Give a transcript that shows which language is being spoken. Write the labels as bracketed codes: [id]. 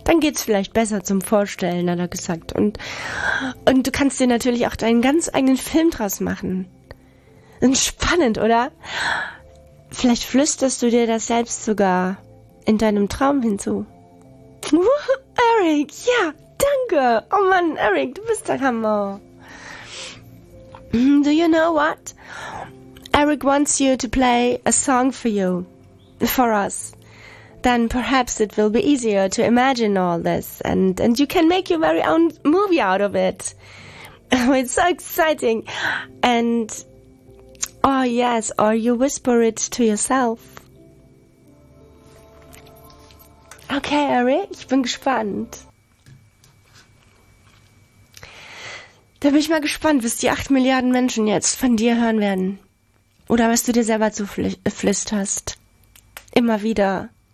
[de] Dann geht's vielleicht besser zum Vorstellen, hat er gesagt. Und du kannst dir natürlich auch deinen ganz eigenen Film draus machen. Spannend, oder? Vielleicht flüsterst du dir das selbst sogar in deinem Traum hinzu. Eric, ja, danke. Oh Mann, Eric, du bist der Hammer. [en] Do you know what? Eric wants you to play a song for you, for us. Then perhaps it will be easier to imagine all this, and you can make your very own movie out of it. It's so exciting. And, oh yes, or you whisper it to yourself. [de] Okay, Eric, ich bin gespannt. Da bin ich mal gespannt, was die 8 Milliarden Menschen jetzt von dir hören werden. Oder was du dir selber zuflüsterst. Immer wieder.